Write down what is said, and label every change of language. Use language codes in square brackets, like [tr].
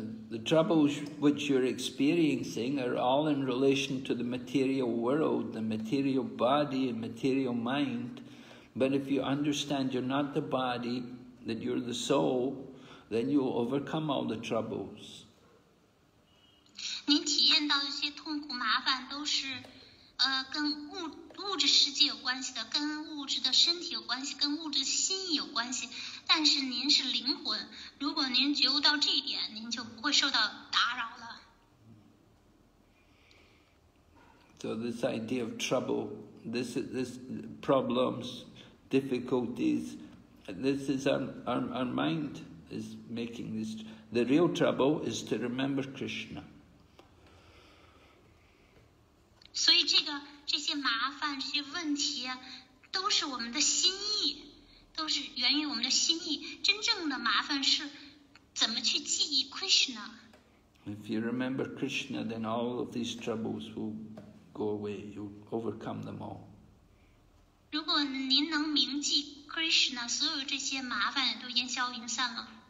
[en] The troubles which you're experiencing are all in relation to the material world, the material body and material mind. But if you understand you're not the body, that you're the soul, then you'll overcome all the troubles. [zh] 您体验到一些痛苦麻烦都是跟物质世界有关系的，跟物质的身体有关系，跟物质心有关系，但是您是灵魂，如果您觉悟到这一点，您就不会受到打扰了。 [en] So this idea of trouble, this problems, difficulties, this is our mind is making this. The real trouble is to remember Krishna. [zh] 所以这些麻烦，这些问题，都是我们的心意，都是源于我们的心意。真正的麻烦是怎么去记忆 Krishna。 [en] If you remember Krishna, then all of these troubles will go away. You'll overcome them all. [zh] 如果您能铭记 Krishna, 所有这些麻烦都烟消云散了。